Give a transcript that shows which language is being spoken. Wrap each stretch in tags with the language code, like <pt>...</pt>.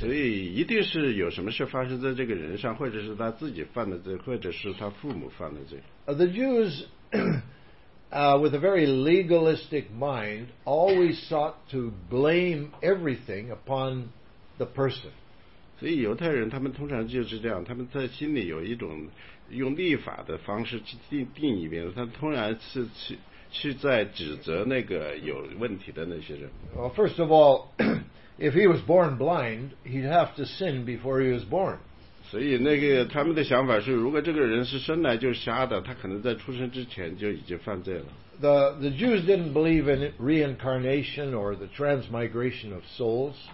<zh>所以一定是有什么事发生在这个人上，或者是他自己犯的罪，或者是他父母犯的罪。</zh> <en>The Jews with a very legalistic mind, always sought to blame everything upon the person.</en> <zh>所以犹太人他们通常就是这样，他们在心里有一种用立法的方式去定一遍，他通常是去在指责那个有问题的那些人。</zh> <en>Well, first of all, if he was born blind, he'd have to sin before he was born.</en> <zh>所以那个他们的想法是，如果这个人是生来就瞎的，他可能在出生之前就已经犯罪了。</zh> <en>The Jews didn't believe in reincarnation or the transmigration of souls.</en>